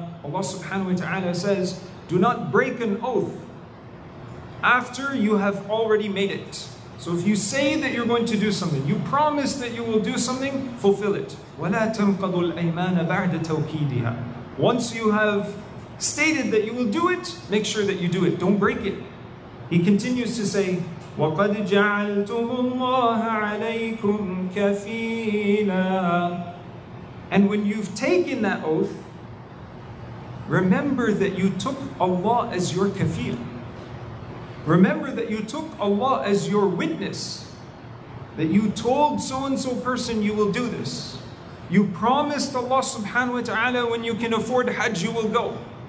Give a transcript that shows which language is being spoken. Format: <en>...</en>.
<en>Allah subhanahu wa ta'ala says, do not break an oath after you have already made it. So if you say that you're going to do something, you promise that you will do something, fulfill it.</en> <ar>وَلَا تَنْقَضُ الْأَيْمَانَ بَعْدَ تَوْكِيدِهَا.</ar> <en>Once you have stated that you will do it, make sure that you do it. Don't break it. He continues to say,</en> <ar>وَقَدْ جَعَلْتُمُ اللَّهَ عَلَيْكُمْ كَفِيلًا.</ar> <en>And when you've taken that oath, remember that you took Allah as your kafil. Remember that you took Allah as your witness. That you told so-and-so person you will do this. You promised Allah subhanahu wa ta'ala when you can afford hajj you will go.</en>